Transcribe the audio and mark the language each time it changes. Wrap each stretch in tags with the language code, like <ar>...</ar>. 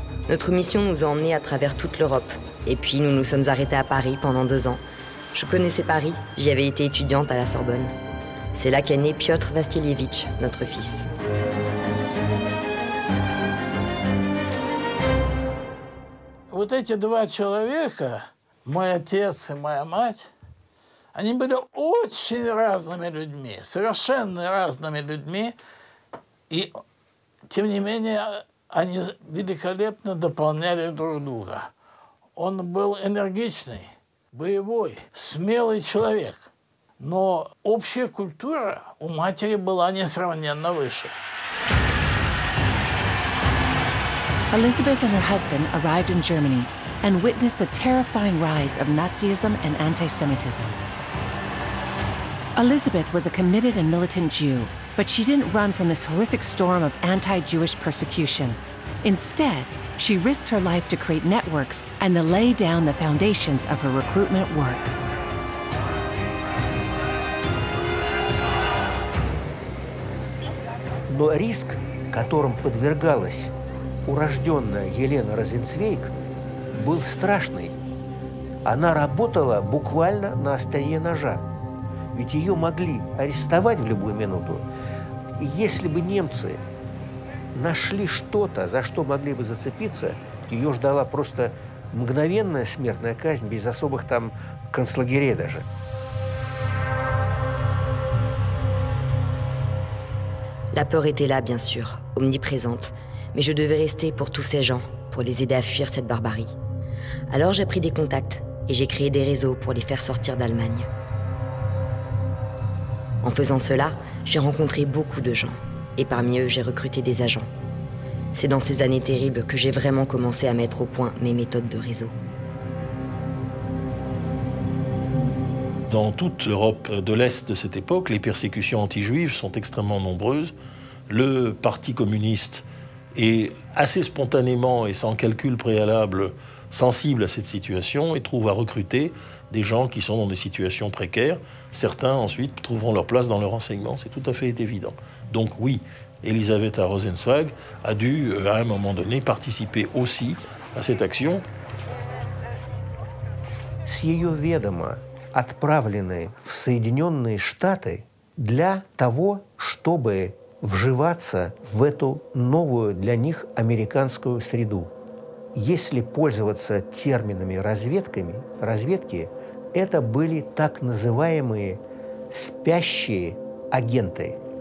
<fr>Notre mission nous a emmenés à travers toute l'Europe. Et puis nous nous sommes arrêtés à Paris pendant 2 ans. Je connaissais Paris, j'y avais été étudiante à la Sorbonne. C'est là qu'est né Piotr Vassilievitch, notre fils.</fr> <ru>Вот эти два человека, мой отец и моя мать, они были очень разными людьми, совершенно разными людьми, и тем не менее они великолепно дополняли друг друга. Он был энергичный, боевой, смелый человек, но общая культура у матери была несравненно выше.</ru> <en>Elizabeth and her husband arrived in Germany and witnessed the terrifying rise of Nazism and anti-Semitism. Elizabeth was a committed and militant Jew, but she didn't run from this horrific storm of anti-Jewish persecution. Instead, she risked her life to create networks and to lay down the foundations of her recruitment work.</en> <ru>Но риск, которым подвергалась урожденная Елена Розенцвейг, был страшный. Она работала буквально на острие ножа, ведь ее могли арестовать в любую минуту. И если бы немцы нашли что-то, за что могли бы зацепиться, ее ждала просто мгновенная смертная казнь, без особых там концлагерей даже.</ru> <fr>La peur était là, bien sûr, omniprésente. Mais je devais rester pour tous ces gens, pour les aider à fuir cette barbarie. Alors j'ai pris des contacts et j'ai créé des réseaux pour les faire sortir d'Allemagne. En faisant cela, j'ai rencontré beaucoup de gens. Et parmi eux, j'ai recruté des agents. C'est dans ces années terribles que j'ai vraiment commencé à mettre au point mes méthodes de réseau. Dans toute l'Europe de l'Est de cette époque, les persécutions anti-juives sont extrêmement nombreuses. Le Parti communiste est assez spontanément et sans calcul préalable sensible à cette situation et trouve à recruter des gens qui sont dans des situations précaires. Certains ensuite trouveront leur place dans le renseignement, c'est tout à fait évident. Donc oui, Elisabetta Rosenzweig a dû à un moment donné participer aussi à cette action.</fr> <ru>С ее ведома отправлены в Соединенные Штаты для того, чтобы вживаться в эту новую для них американскую среду. Если пользоваться терминами разведки, это были так называемые спящие агенты.</ru>